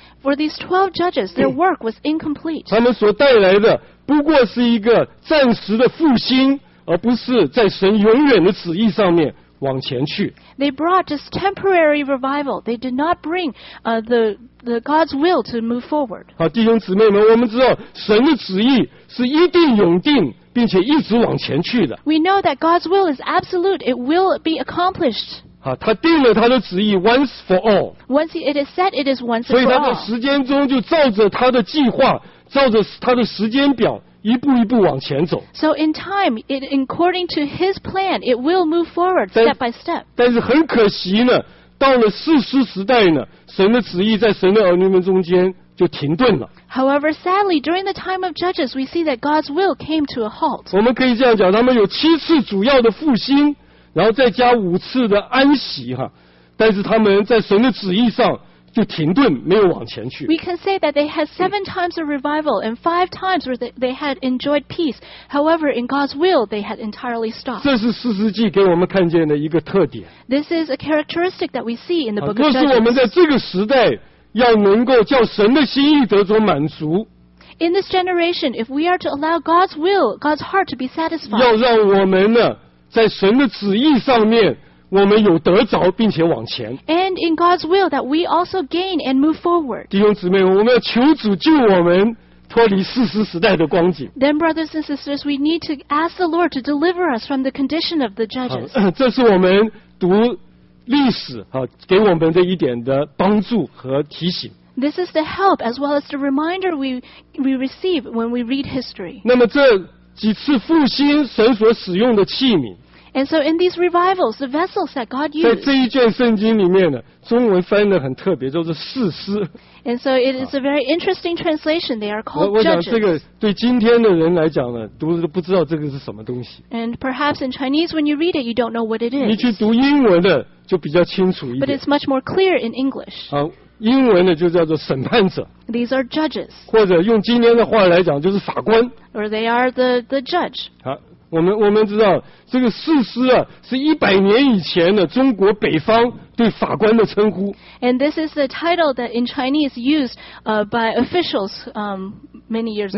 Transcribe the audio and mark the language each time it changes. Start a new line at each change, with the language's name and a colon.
English: For these 12 judges, their work was incomplete.
Chinese: 他们所带来的不过是一个暂时的复兴，而不是在神永远的旨意上面。往前去。
English: They brought just temporary revival. They did not bring the God's will to move forward.
Chinese: 好，弟兄姊妹们，我们知道神的旨意是一定永定，并且一直往前去的。
English: We know that God's will is absolute. It will be accomplished.
Chinese: 好，他定了他的旨意
English: once for all. Once it is set, it is once for all.
Chinese: 所以他在时间中就照着他的计划，照着他的时间表。一步一步往前走。
English: So in time, it, according to his plan, it will move forward step by step.
Chinese: 但是很可惜呢，到了士师时代呢，神的旨意在神的儿女们中间就停顿了。
English: However, sadly, during the time of Judges, we see that God's will came to a halt.
Chinese: 我们可以这样讲，他们有七次主要的复兴，然后再加五次的安息哈，但是他们在神的旨意上。就停顿，没有往前去。
English: We can say that they had seven times of revival and five times where they had enjoyed peace. However, in God's will, they had entirely stopped.
Chinese: 这是四世纪给我们看见的一个特点。
English: This is a characteristic that we see in the book of Judges.
Chinese: 若是我们在这个时代要能够叫神的心意得着满足。
English: In this generation, if we are to allow God's will, God's heart to be satisfied.
Chinese: 要让我们呢，在神的旨意上面我们有得着并且往前。
English: And in God's will that we also gain and move forward.
Chinese: 弟兄姊妹，我们要求主救我们脱离世俗时代的光景。
English: Then brothers and sisters, we need to ask the Lord to deliver us from the condition of the judges.
Chinese: 这是我们读历史给我们的一点的帮助和提醒。
English: This is the help as well as the reminder we receive when we read history.
Chinese: 那么这几次复兴神所使用的器皿。
English: And so in these revivals, the vessels that God used.
Chinese: 在这一卷圣经里面呢，中文翻得很特别，就是士师。
English: And so it is a very interesting translation. They are called judges.
Chinese: 我想这个对今天的人来讲呢，读都不知道这个是什么东西。
English: And perhaps in Chinese, when you read it, you don't know what it is.
Chinese: 你去读英文的就比较清楚一点。
English: But it's much more clear in English.
Chinese: 英文呢就叫做审判者。
English: These are judges.
Chinese: 或者用今天的话来讲就是法官。
English: Or they are the judge.
Chinese: 我们知道这个士师啊，是一百年以前的中国北方对法官的称呼。
English: And this is the title that in Chinese used by officials many years ago.